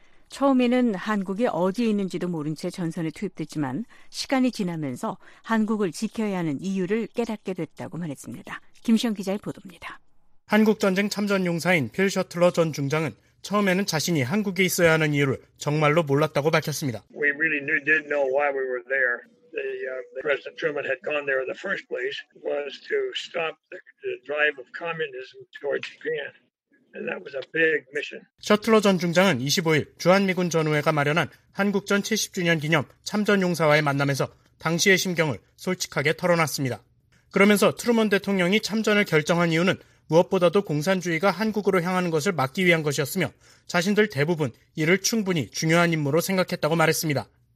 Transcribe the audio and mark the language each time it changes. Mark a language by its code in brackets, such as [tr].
[ko] 처음에는 한국이 어디에 있는지도 모른 채 전선에 투입됐지만 시간이 지나면서 한국을 지켜야 하는 이유를 깨닫게 됐다고 말했습니다. 김시영 기자의 보도입니다. 한국전쟁 참전 용사인 필 셔틀러 전 중장은 처음에는 자신이 한국에 있어야 하는 이유를 정말로 몰랐다고 밝혔습니다. [en] We really didn't know why we were there. President Truman had gone there in the first place was to stop the drive of communism towards Japan. And that was a big mission. [ko] 셔틀러 전 중장은 25일 주한미군 전우회가 마련한 한국전 70주년 기념 참전 용사와의 만남에서 당시의 심경을 솔직하게 털어놨습니다. 그러면서 트루먼 대통령이 참전을 결정한 이유는 무엇보다도 공산주의가 한국으로 향하는 것을 막기 위한 것이었으며 자신들 대부분 이를 충분히 중요한 임무로 생각했다고 말했습니다.